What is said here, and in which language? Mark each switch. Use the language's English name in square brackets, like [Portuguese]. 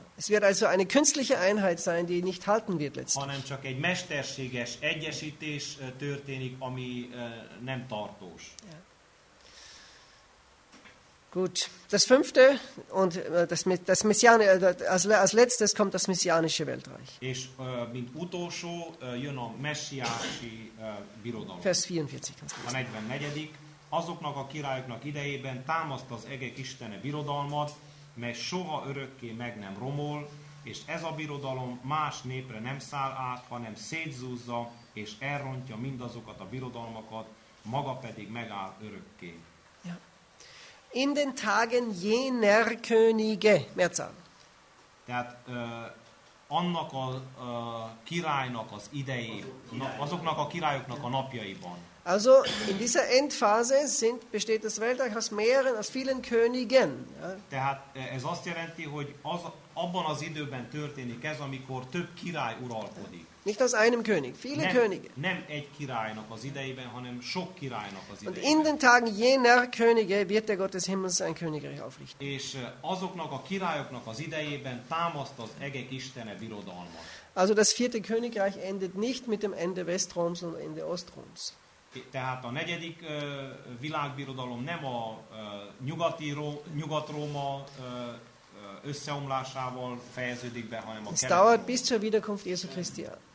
[German] Es wird also eine künstliche Einheit sein, die nicht halten wird letztlich. [Hungarian] Hanem csak egy mesterséges egyesítés történik, ami nem tartós. [German] Ja. Gut, das fünfte und das messianische, als letztes kommt das messianische Weltreich. [Hungarian] És mint utolsó jön a messiási birodalom. [German] Vers 44. [Hungarian] A 44. Azoknak a királyoknak idejében támaszt az egek istene birodalmat, mely soha örökké meg nem romol, és ez a birodalom más népre nem száll át, hanem szétzúzza és elrontja mindazokat a birodalmakat, maga pedig megáll örökké. [German] Ja. In den Tagen jener Könige, Mehrzahl. [Hungarian] Tehát annak a királynak az idejé, azoknak a királyoknak a napjaiban. [German] Also in dieser Endphase besteht das Weltreich aus mehreren, aus vielen Königen. [Hungarian] Tehát ez azt jelenti, hogy abban az időben történik ez, amikor több király uralkodik. [German] Nicht aus einem König, viele [Hungarian] nem, [German] Könige. [Hungarian] Nem egy királynak az idejében, hanem sok királynak az idejében. [German] Und in den Tagen jener Könige wird der Gott des Himmels ein Königreich aufrichten. [Hungarian] És azoknak a királyoknak az idejében támaszt az egek Istene birodalma. [German] Also das vierte Königreich endet nicht mit dem Ende Westroms, sondern Ende Ostroms. [Hungarian] Tehát a negyedik világbirodalom nem a nyugati Nyugat-Róma összeomlásával fejeződik be, hanem a [German] dauert bis zur Wiederkunft Jesu Christi.